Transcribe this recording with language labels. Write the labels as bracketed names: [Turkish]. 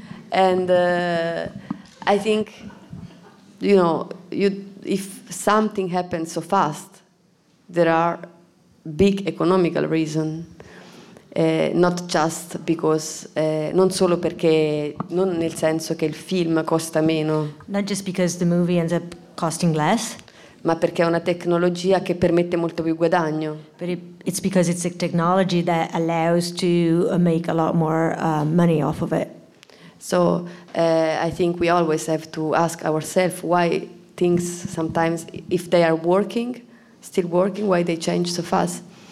[English] And I think, you know, if something happens so fast, there are big economical reasons, not just because, [Italian] non solo perché, non nel senso che il film costa meno. [English] Not just because the movie ends up costing less. [Italian] Ma perché è una tecnologia che permette molto più guadagno. [English] But it's because it's a technology that allows to make a lot more money off of it. So I think we always have to ask ourselves why things sometimes, if they are working, still working, why they change so fast.